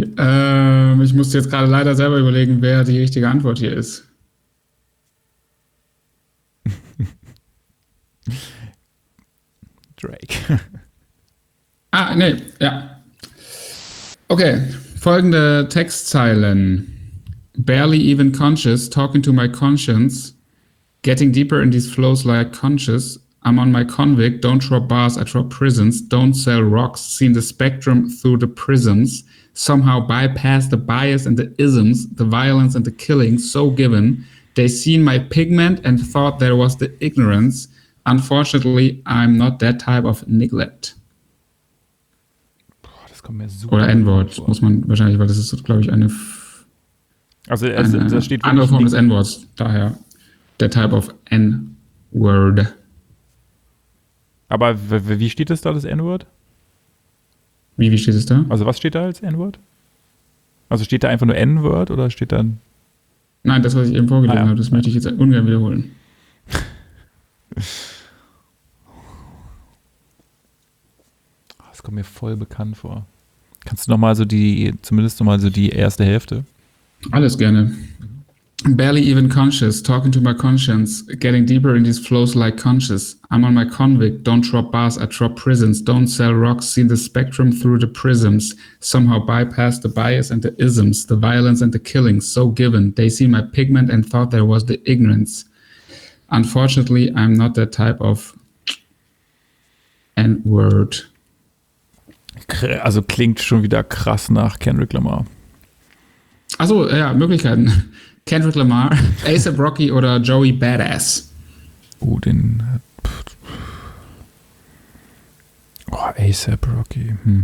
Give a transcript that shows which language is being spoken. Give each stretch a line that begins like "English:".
German: Ich musste jetzt gerade leider selber überlegen, wer die richtige Antwort hier ist. Drake. Ah, nee, ja. Okay, folgende Textzeilen.
English: Barely even conscious, talking to my conscience. Getting deeper in these flows like conscious. I'm on my convict, don't drop bars, I drop prisons, don't sell rocks, seen the spectrum through the prisms, somehow bypass the bias and the isms, the violence and the killing, so given, they seen my pigment and thought there was the ignorance, unfortunately, I'm not that type of neglect.
German: Boah, das kommt mir super. Oder N-Wort, muss man wahrscheinlich, weil das ist, glaube ich, eine. Also, da steht. Andere Form des N-Worts, daher. Der
English: type of N-Word.
German: Aber wie steht es da, das N-Word? Wie steht es da? Also was steht da als N-Word? Also steht da einfach nur N-Word oder steht dann? Nein, das, was ich eben vorgelesen habe, das möchte ich jetzt ungern wiederholen. Das kommt mir voll bekannt vor. Kannst du zumindest nochmal so die erste Hälfte? Alles gerne.
English: Barely even conscious, talking to my conscience, getting deeper in these flows like conscious. I'm on my convict, don't drop bars, I drop prisons, don't sell rocks, see the spectrum through the prisms, somehow bypass the bias and the isms, the violence and the killing, so given, they see my pigment and thought there was the ignorance. Unfortunately, I'm not that type of N-word.
German: Also klingt schon wieder krass nach Kendrick Lamar. Achso, ja, Möglichkeiten. Kendrick Lamar, A$AP Rocky oder Joey Badass? A$AP Rocky.